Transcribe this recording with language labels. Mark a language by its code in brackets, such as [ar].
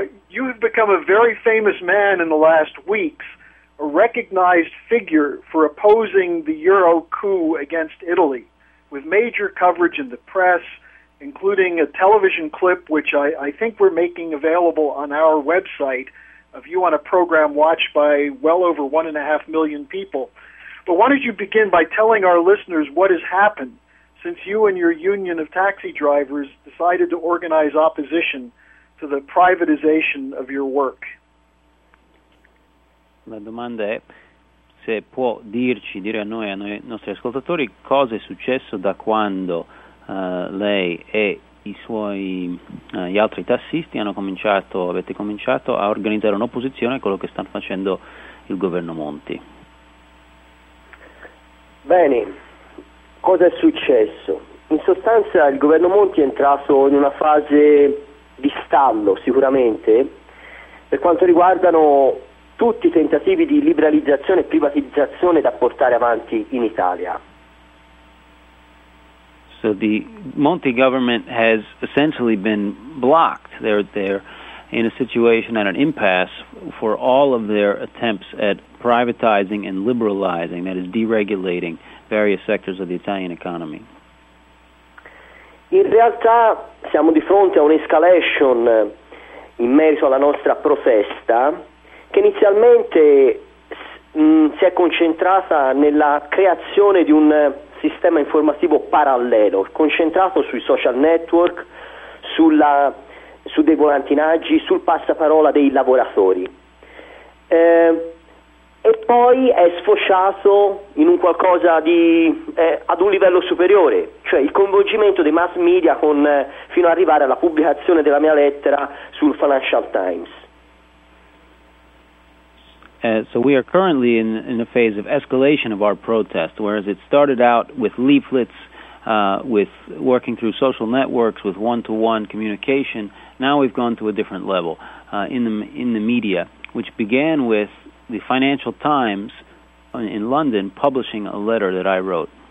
[en] You have become a very famous man in the last weeks, a recognized figure for opposing the Euro coup against Italy, with major coverage in the press, including a television clip, which I think we're making available on our website, of you on a program watched by well over 1.5 million people. But why don't you begin by telling our listeners what has happened since you and your union of taxi drivers decided to organize opposition to the privatization of your work? [it] La domanda è se può dirci, dire a noi, ai nostri ascoltatori, cosa è successo da quando lei e i suoi gli altri tassisti avete cominciato a organizzare un'opposizione a quello che sta facendo il governo Monti. Bene, cosa è successo? In sostanza il governo Monti è entrato in una fase di stallo sicuramente per quanto riguardano tutti i tentativi di liberalizzazione e privatizzazione da portare avanti in Italia. [en] So the Monti government has essentially been blocked. They're in a situation at an impasse for all of their attempts at privatizing and liberalizing, that is deregulating various sectors of the Italian economy. [it] In realtà siamo di fronte a un'escalation in merito alla nostra protesta che inizialmente si è concentrata nella creazione di un sistema informativo parallelo, concentrato sui social network, su dei volantinaggi, sul passaparola dei lavoratori. E poi è sfociato in un qualcosa di ad un livello superiore, cioè il coinvolgimento dei mass media fino ad arrivare alla pubblicazione della mia lettera sul Financial Times. [en] So we are currently in a phase of escalation of our protest, whereas it started out with leaflets, with working through social networks, with one-to-one communication. Now we've gone to a different level in the media, which began with the Financial Times in London publishing a letter that I wrote.